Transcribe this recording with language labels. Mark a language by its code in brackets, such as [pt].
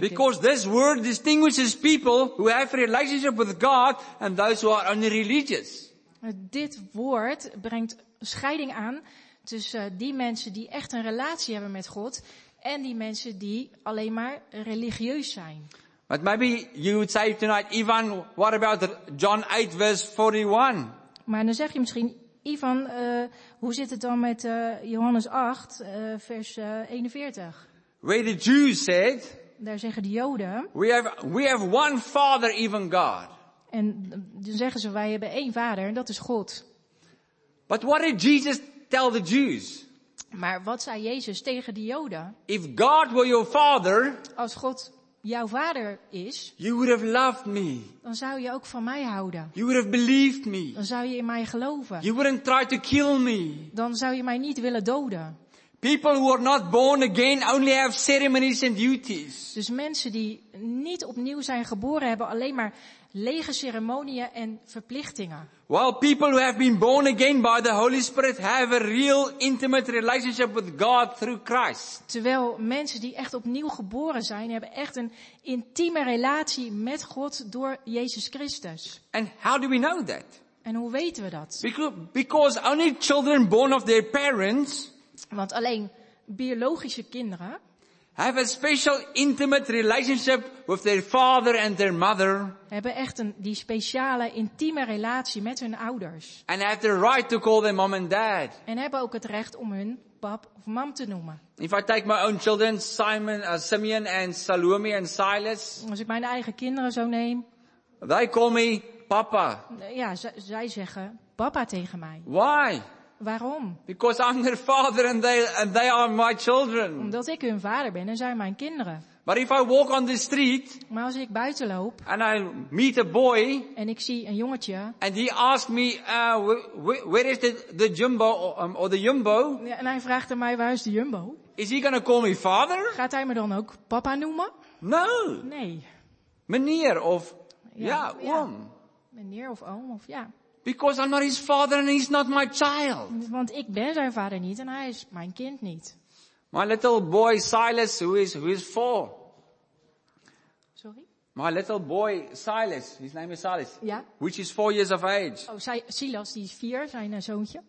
[en] Because this word distinguishes people who have a relationship with God and those who are only religious. [nl] Dit woord brengt scheiding aan tussen die mensen die echt een relatie hebben met God en die mensen die alleen maar religieus zijn. [en] But maybe you would say tonight, Ivan, what about John 8 verse 41? [nl] Maar dan zeg je misschien, Ivan, hoe zit het dan met Johannes 8 vers 41? [en] Where the Jews said, [nl] daar zeggen de Joden, [en] we have one Father, even God. [nl] En dan zeggen ze, wij hebben één vader en dat is God. [en] But what did Jesus tell the Jews? [nl] Maar wat zei Jezus tegen de Joden? [en] If God were your father, [nl] als God jouw vader is, [en] you would have loved me. [nl] Dan zou je ook van mij houden. [en] You would have believed me. [nl] Dan zou je in mij geloven. [en] You wouldn't try to kill me. [nl] Dan zou je mij niet willen doden. [en] People who are not born again only have ceremonies and duties. [nl] Dus mensen die niet opnieuw zijn geboren hebben alleen maar lege ceremonieën en verplichtingen. [en] While people who have been born again by the Holy Spirit have a real intimate relationship with God through Christ. [nl] Terwijl mensen die echt opnieuw geboren zijn hebben echt een intieme relatie met God door Jezus Christus. [en] And how do we know that? [nl] En hoe weten we dat? [en] Because only children born of their parents. [nl] Want alleen biologische kinderen [en] have a special intimate relationship with their father and their mother. [nl] Hebben echt die speciale intieme relatie met hun ouders. [en] And have the right to call them mom and dad. [nl] En hebben ook het recht om hun pap of mam te noemen. [en] If I take my own children, Simeon and Salome and Silas. [nl] Als ik mijn eigen kinderen zo neem. [en] They call me papa. [nl] Ja, zij zeggen papa tegen mij. [en] Why? [nl] Waarom? [en] Because I'm their father and they are my children. [nl] Omdat ik hun vader ben en zij mijn kinderen. [en] But if I walk on the street. [nl] Maar als ik buiten loop. [en] And I meet a boy. [nl] En ik zie een jongetje. [en] And he asks me, where is the jumbo or the jumbo? [nl] Ja, en hij vraagt aan mij, waar is de jumbo? [en] Is he gonna call me father? [nl] Gaat hij me dan ook papa noemen? [en] No. [nl] Nee. Meneer of oom. Meneer of oom of ja. [en] Because I'm not his father and he's not my child. [nl] Want ik ben zijn vader niet en hij is mijn kind niet. [en] My little boy Silas, who is four. Sorry? My little boy Silas, his name is Silas. [nl] Ja. [en] Which is 4 years of age. [nl] Oh, Silas, die is 4, zijn zoontje.